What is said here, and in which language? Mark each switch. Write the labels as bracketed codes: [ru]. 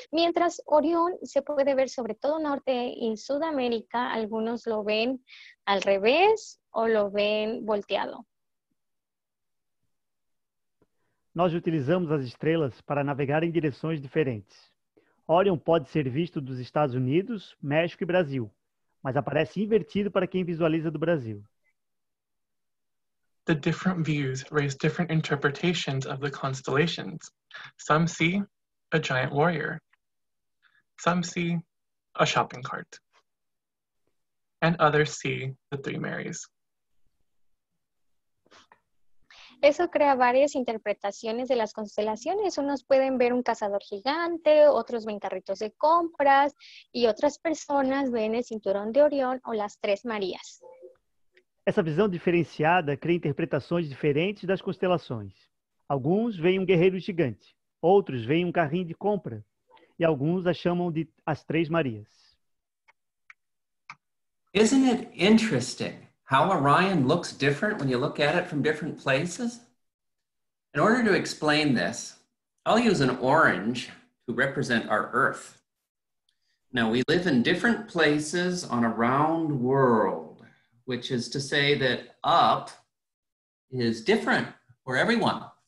[es] Mientras Orión se puede ver sobre todo Norte y Sudamérica, algunos lo ven al revés o lo ven volteado. [pt] Nós utilizamos as estrelas para navegar em direções diferentes. Orion pode ser visto dos Estados Unidos, México e Brasil, mas aparece invertido para quem visualiza do Brasil. [en] The different views raise different interpretations of the constellations. Some see a giant warrior. Some see a shopping cart. And others see the three Marys. [es] Eso crea varias interpretaciones de las constelaciones. Unos pueden ver un cazador gigante, otros ven carritos de compras, y otras personas ven el cinturón de Orión o las tres Marías. [pt] Essa visão diferenciada cria interpretações diferentes das constelações. Alguns veem um guerreiro gigante, outros veem um carrinho de compra, e alguns a chamam de as três Marias. [en] Isn't it interesting how Orion looks different when you look at it from different places? In order to explain this, I'll use an orange to represent our Earth. Now, we live in different places on a round world, which is to say that up is different for everyone.